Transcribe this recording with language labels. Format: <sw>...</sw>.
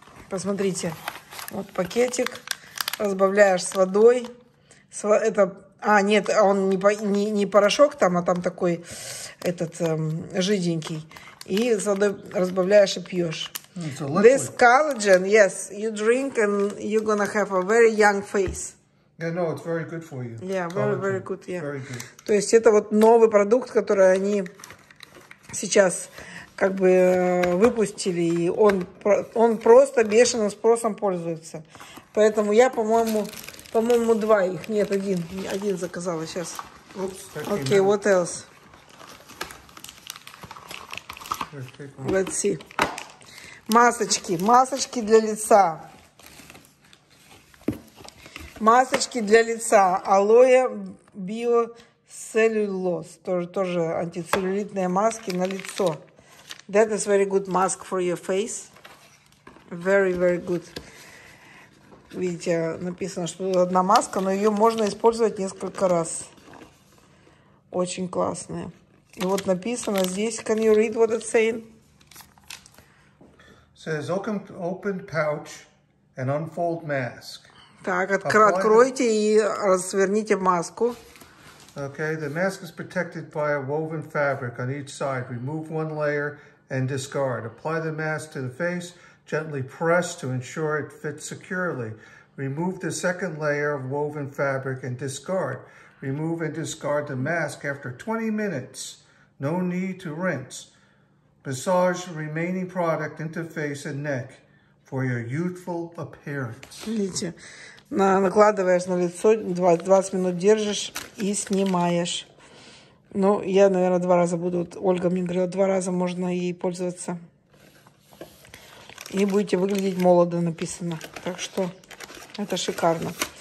<ru>Посмотрите. Вот пакетик. Разбавляешь с водой. Он не порошок там, а там такой этот жиденький. И с водой разбавляешь и пьешь.</ru> <en>This collagen, yes, you drink and you're gonna have a very young face. Yeah, no, it's very good for you. Yeah, collagen. Very, very good, yeah. Very good.</en> <ru>То есть это вот новый продукт, который они сейчас как бы выпустили, и он просто бешеным спросом пользуется. Поэтому я, по-моему, два их. Нет, один. Один заказала сейчас. Окей,</ru> <en>what else? Let's see.</en> <ru>Масочки для лица. Масочки для лица. Алоэ биоцеллюлоз. Тоже антицеллюлитные маски на лицо.</ru> <en>That is very good mask for your face. Very, very good.</en> <ru>Видите, написано, что тут одна маска, но ее можно использовать несколько раз. Очень классная. И вот написано здесь,</ru> <en>can you read what it's saying? It says, open pouch and unfold mask.</en> <ru>Так, откройте и разверните маску.</ru> <en>Okay, the mask is protected by a woven fabric on each side. Remove one layer and discard. Apply the mask to the face. Gently press to ensure it fits securely. Remove the second layer of woven fabric and discard. Remove and discard the mask after 20 minutes. No need to rinse. Massage remaining product into face and neck for your youthful appearance.</en> <ru>Видите, накладываешь на лицо, 20 минут держишь и снимаешь. Ну, я, наверное, два раза буду. Вот Ольга мне говорила, два раза можно ей пользоваться. И будете выглядеть молодо, написано. Так что это шикарно.</ru>